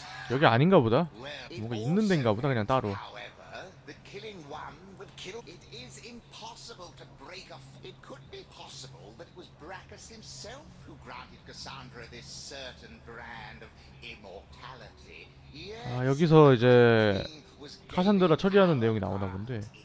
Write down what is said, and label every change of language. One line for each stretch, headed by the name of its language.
Korean: 여기 아닌가 보다. 뭔가 있는 데인가 보다. 그냥 따로.
English: that killing one would kill. It is impossible to break a. It could be possible that it was Bracchus himself who granted Cassandra this certain brand of immortality.
Korean: Yes, 아, 여기서 이제 카산드라 처리하는 내용이 나오나 본데.